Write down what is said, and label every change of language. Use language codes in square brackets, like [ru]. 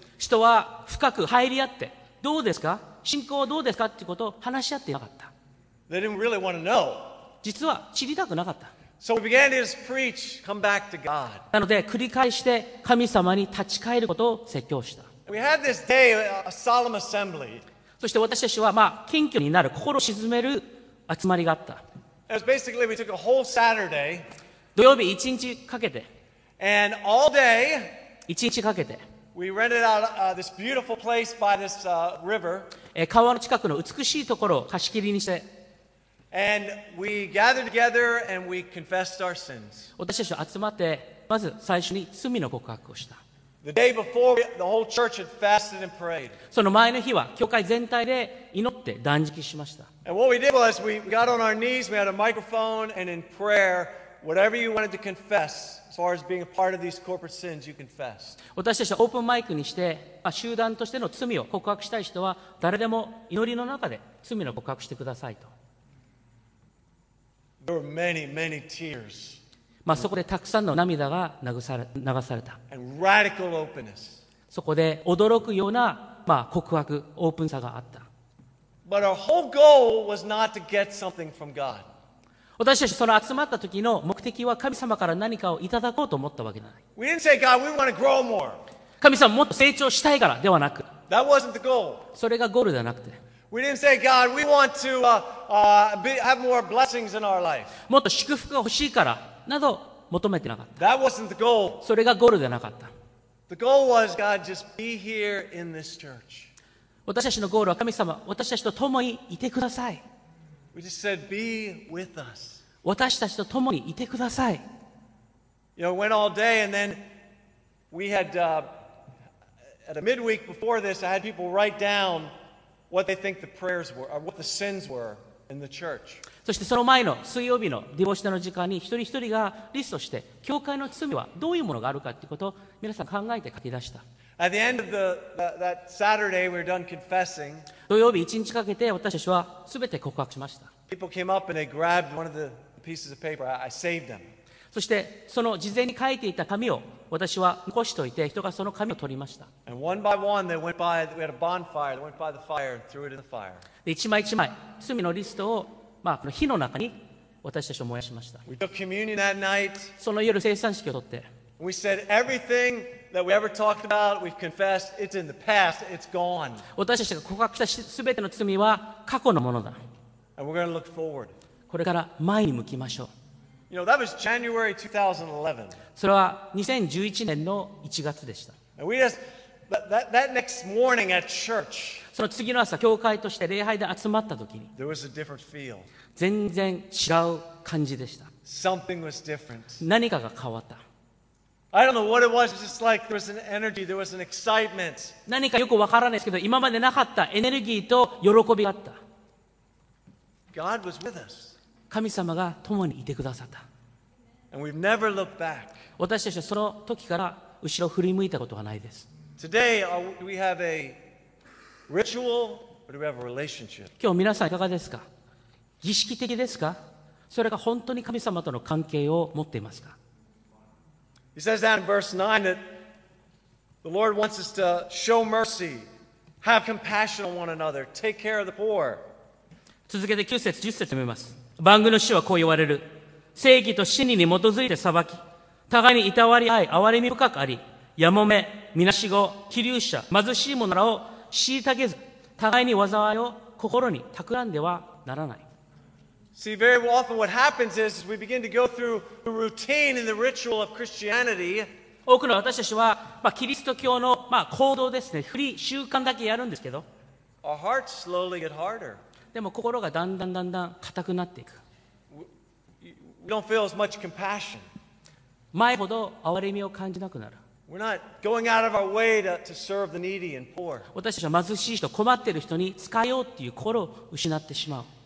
[ja] 人は深く入り合って、どうですか、信仰はどうですかっていうことを話し合っていなかった。 [en] They didn't really want to know. [ja] 実は知りたくなかった。 [en] So we began to preach, "Come back to God." [ja] なので繰り返して神様に立ち返ることを説教した。 [en] We had this day, a solemn assembly. [ja] そして私たちはまあ謙虚になる、心を静める集まりがあった。 [en] It was basically we took a whole Saturday. [ja] 土曜日一日かけて。 [en] And all day, [ja] 一日かけて、 [en] we rented out this beautiful place by this river. [ja] 川の近くの美しいところを貸し切りにして、 [en] and we gathered together and we confessed our sins. [ja] 私たちは集まって、まず最初に罪の告白をした。 [en] The day before, the whole church had fasted and prayed. [ja] その前の日は教会全体で祈って断食しました。 [en] And what we did was we got on our knees, we had a microphone, and in prayer, whatever you wanted to confess. As far as being a part of these corporate sins, you confess. [ja] 私たちはオープンマイクにして、まあ、集団としての罪を告白したい人は誰でも祈りの中で罪の告白してくださいと。 [en] There were many, many tears. [ja] まあそこでたくさんの涙が流された。 [en] And radical openness. [ja] そこで驚くような、まあ、告白、オープンさがあった。 [en] But our whole goal was not to get something from God. [ja] 私たちその集まった時の目的は神様から何かをいただこうと思ったわけではない。 [en] We didn't say, God, we want to grow more. [ja] 神様もっと成長したいからではなく。 [en] That wasn't the goal. [ja] それがゴールではなくて。 [en] We didn't say, God, we want to have more blessings in our life. [ja] もっと祝福が欲しいからなど求めてなかった。 [en] That wasn't the goal. [ja] それがゴールではなかった。 [en] The goal was, God, just be here in this church. [ja] 私たちのゴールは神様、私たちと共にいてください。 [en] We just said, be with us. [ja] 私たちと共にいてください。 [en] You know, went all day, and then we had at a midweek before this, I had people write down what they think the prayers were, or what the sins were in the church. [ja] そしてその前の水曜日のディボーショナルの時間に一人一人がリストして教会の罪はどういうものがあるかということを皆さん考えて書き出した。 [en] At the end of that Saturday, we were done confessing. [ja] 土曜日一日かけて私たちはすべて告白しました。 [en] People came up and they grabbed one of the pieces of paper. I saved them. [ja] そしてその事前に書いていた紙を私は残しておいて、人がその紙を取りました。 [en] And one by one, they went by. We had a bonfire. They went by the fire and threw it in the fire. [ja] 一枚一枚罪のリストをまあこの火の中に私たちを燃やしました。 [en] We took communion that night. [ja] その夜聖餐式を取って。 [en] We said everything that we ever talked about, we've confessed, it's in the past, it's gone. [ja] 私たちが告白したすべての罪は過去のものだ。 [en] And we're going to look forward. [ja] これから前に向きましょう。 [en] You know, that was January 2011. [ja] それは2011年の1月でした。 [en] And we just, that next morning at church, [ja] その次の朝、教会として礼拝で集まったときに、 [en] there was a different feel. [ja] 全然違う感じでした。 [en] Something was different. [ja] 何かが変わった。 [en] I don't know what it was, just like there was an energy, there was an excitement. [ja] 何かよくわからないですけど、今までなかったエネルギーと喜びがあった。 [en] God was with us. [ja] 神様が共にいてくださった。 [en] And we've never looked back. [ja] 私たちはその時から後ろ振り向いたことはないです。 [en] Today, we have a ritual, or do we have a relationship? [ja] 今日皆さんいかがですか？儀式的ですか？それが本当に神様との関係を持っていますか？ [en] He says that in verse 9 that the Lord wants us to show mercy, have compassion on one another, take care of the poor. [ja] 続けて9節、10節読みます。万軍の主はこう言われる。正義と真理に基づいて裁き、互いにいたわり合い、憐れみ深くあり、やもめ、みなしご、気流者、貧しい者らを虐げず、互いに災いを心に企んではならない。 [en] See, very often what happens is we begin to go through the routine and the ritual of Christianity. [ja] 多くの私たちは、まあ、キリスト教の、まあ、行動ですね、振り習慣だけやるんですけど。 [en] Our hearts slowly get harder. [ja] でも心がだんだんだんだん硬くなっていく。 [en] We don't feel as much compassion. [ja] 前ほど憐れみを感じなくなる。 [en] We're not going out of our way to serve the needy and poor. [ja] 私たちは貧しい人、困っている人に使いようっていう心を失ってしまう。